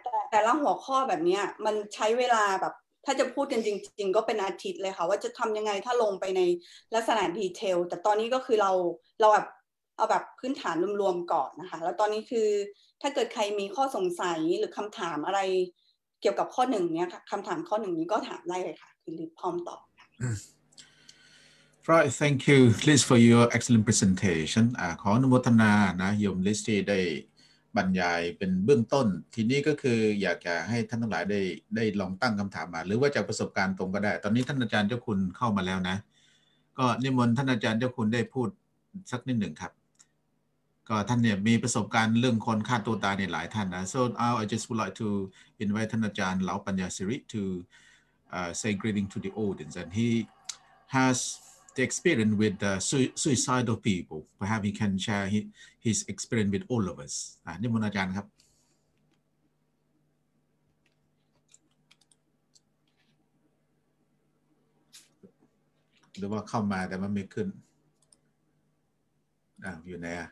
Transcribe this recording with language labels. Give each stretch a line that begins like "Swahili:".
Thai: แต่ละหัวข้อแบบนี้มันใช้เวลาแบบถ้าจะพูดกันจริงๆก็เป็นอาทิตย์เลยค่ะว่าจะทำยังไงถ้าลงไปในลักษณะดีเทลแต่ตอนนี้ก็คือเราแบบเอาแบบพื้นฐานรวมๆก่อนนะคะแล้วตอนนี้คือถ้าเกิดใครมีข้อสงสัยหรือคำถามอะไรเกี่ยวกับข้อหนึ่งเนี้ยค่ะคำถามข้อหนึ่งนี้ก็ถามได้เลยค่ะคือลิฟพร้อมตอบ
English: Right, thank you, Liz, for your excellent presentation.
Thai: ขออนุโมทนานะโยมลิสที่ได้บรรยายเป็นเบื้องต้นทีนี้ก็คืออยากจะให้ท่านทั้งหลายได้ลองตั้งคำถามมาหรือว่าจากประสบการณ์ตรงก็ได้ตอนนี้ท่านอาจารย์เจ้าคุณเข้ามาแล้วนะก็นิมนต์ท่านอาจารย์เจ้าคุณได้พูดสักนิดหนึ่งครับก็ท่านเนี่ยมีประสบการณ์เรื่องคนฆ่าตัวตายในหลายท่านนะ
English: so I just would like to invite ท่านอาจารย์เหลาปัญญาสิริ to say greeting to the audience and he hasthe experience with the suicidal people. Perhaps he can share his experience with all of us.
Thai: นิมนต์อาจารย์ครับ หรือว่าเข้ามาแต่มันไม่ขึ้น อยู่ไหน